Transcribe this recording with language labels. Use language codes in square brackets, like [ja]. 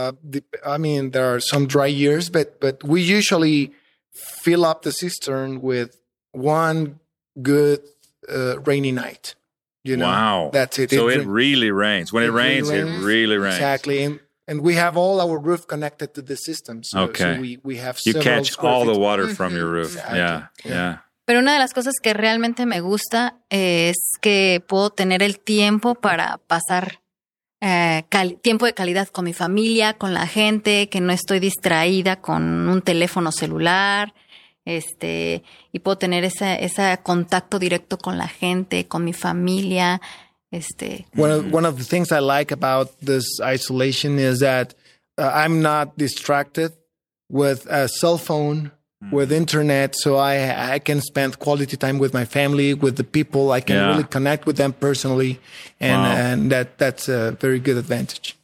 [en] There are some dry years, but we usually fill up the cistern with one good rainy night. You know, wow. That's it. It really rains. When it rains, it really rains. Exactly. And we have all our roof connected to the system. So we have several. You catch all the water from your roof. Exactly. Yeah. [es] Pero una de las cosas que realmente me gusta es que puedo tener el tiempo para pasar tiempo de calidad con mi familia, con la gente, que no estoy distraída con un teléfono celular. Y puedo tener ese contacto directo con la gente, con mi familia. [en] One of the things I like about this isolation is that I'm not distracted with a cell phone, with internet, so I can spend quality time with my family, with the people. I can really connect with them personally, and that's a very good advantage.